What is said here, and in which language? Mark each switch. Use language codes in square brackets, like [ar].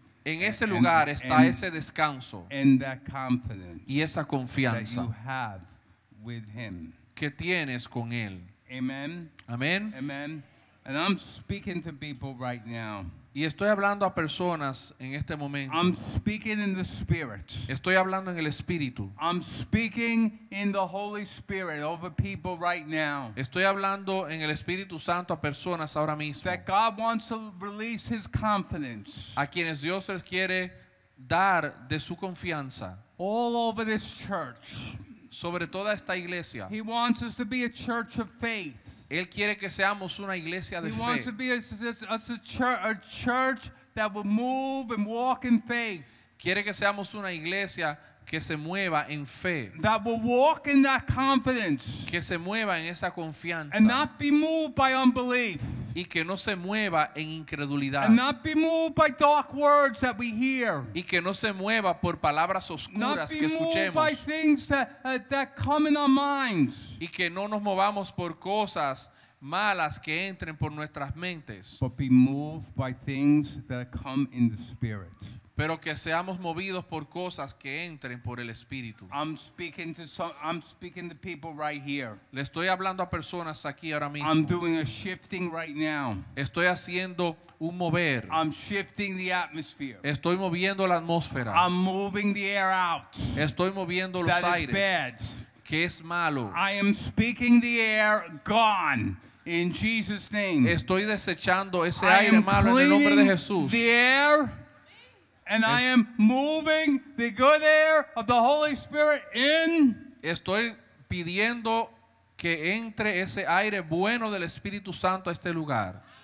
[es] En ese lugar está ese descanso, [en] and that confidence, [es] y esa confianza [en] that you have with him, [es] que tienes con él. [en] Amen. [es] Amen. [en] Amen. And I'm speaking to people right now. [es] Y estoy hablando a personas en este momento. [en] I'm speaking in the spirit. [es] Estoy hablando en el espíritu. [en] I'm speaking in the Holy Spirit over people right now. [es] Estoy hablando en el Espíritu Santo a personas ahora mismo. [en] That God wants to release his confidence. [es] A quienes Dios les quiere dar de su confianza. [en] All over this church. [es] Sobre toda esta iglesia. [en] He wants us to be a church of faith. [es] Él quiere que seamos una iglesia de [en] he [es] fe. [en] He wants to be a church that will move and walk in faith. [es] Quiere que seamos una iglesia que se mueva en fe. [en] That will walk in that confidence. [es] Que se mueva en esa confianza. [en] And not be moved by unbelief. [es] Y que no se mueva en incredulidad. [en] And not be moved by dark words that we hear. [es] Y que no se mueva por palabras oscuras que escuchemos. [en] Not be moved by things that come in our minds. [es] Y que no nos movamos por cosas malas que entren por nuestras mentes. [en] But be moved by things that come in the spirit. [es] pero que seamos movidos por cosas que entren por el Espíritu. [en] I'm speaking to people right here. [es] Le estoy hablando a personas aquí ahora mismo. [en] I'm doing a shifting right now. [es] Estoy haciendo un mover. [en] I'm shifting the atmosphere. [es] Estoy moviendo la atmósfera. [en] I'm moving the air out. [es] Estoy moviendo los aires. [en] That is bad. [es] Que es malo. [en] I am speaking the air gone in Jesus' name. [es] Estoy desechando ese aire malo en el nombre de Jesús. [en] The air, and I am moving the good air of the Holy Spirit in. [es] Estoy pidiendo que entre ese aire bueno del Espíritu Santo a este lugar.